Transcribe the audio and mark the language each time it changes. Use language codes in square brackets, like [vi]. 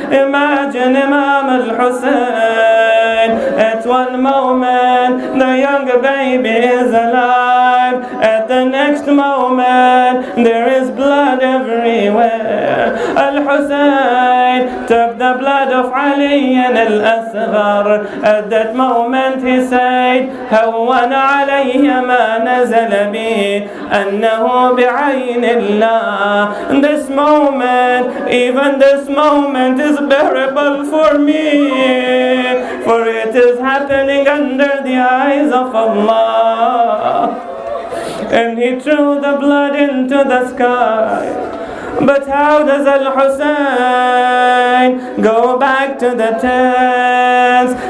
[en] Imagine Imam al-Hussein. At one moment the young baby is alive. At the next moment there is blood everywhere. Al-Hussein. the blood of Ali and Al-Asghar. At that moment he said, [ar] هون علي ما نزل بي أنه بعين الله. [en] This moment, even this moment is bearable for me, for it is happening under the eyes of Allah. And he threw the blood into the sky. But how does Al-Hussein go back to the tents?